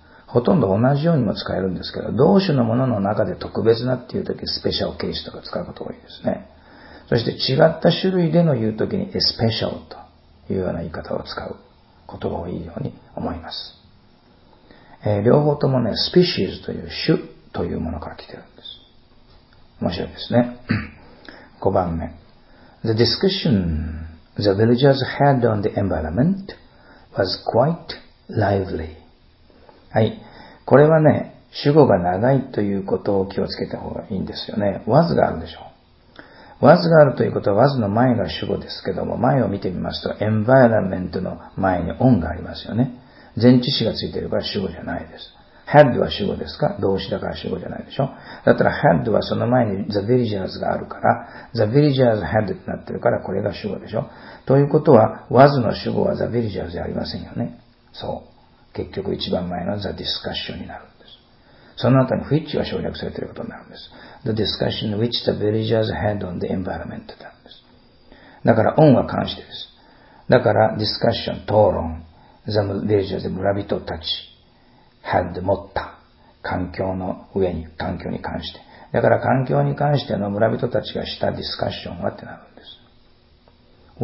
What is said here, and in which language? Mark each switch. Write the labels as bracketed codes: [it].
[ja] ほとんど同じようにも使えるんですけど、同種のものの中で特別なっていうとき、スペシャルケースとか使うこと多いですね。そして違った種類での言うときに、スペシャルというような言い方を使うことが多いように思います。両方ともね、スピシーズという種というものから来てるんです。面白いですね。5番目。 [en] The discussion the villagers had on the environment was quite lively. [ja] はい。これはね、主語が長いということを気をつけた方がいいんですよね。 was があるでしょう。was があるということは、was の前が主語ですけども、前を見てみますと、environment の前に on がありますよね。前置詞がついているから主語じゃないです。had は主語ですか？動詞だから主語じゃないでしょ。だったら had はその前に the villagers があるから、 [en] the villagers had [ja] ってなってるから、これが主語でしょ。ということは、was の主語は [en] the villagers [ja] じゃありませんよね。そう。結局一番前の [en] the discussion [ja] になるんです。その後に which が省略されていることになるんです。 [en] the discussion which the villagers had on the environment [ja] なんです。だから on は関してです。だから discussion 討論 [en] the villagers [ja] 村人たち had 持った環境の上に環境に関して。だから環境に関しての村人たちがした discussion はってなるんです。